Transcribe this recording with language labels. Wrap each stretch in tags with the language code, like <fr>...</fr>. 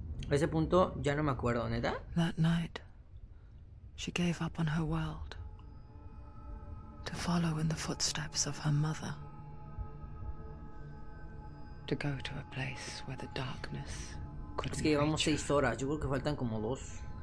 <es>A ese punto ya no me acuerdo, ¿neta?</es> <en>That night, she gave up on her world to follow in the footsteps of her mother, to go to a place where the darkness couldn't.</en> <es>Es que llevamos 6 horas, yo creo que faltan como 2.</es>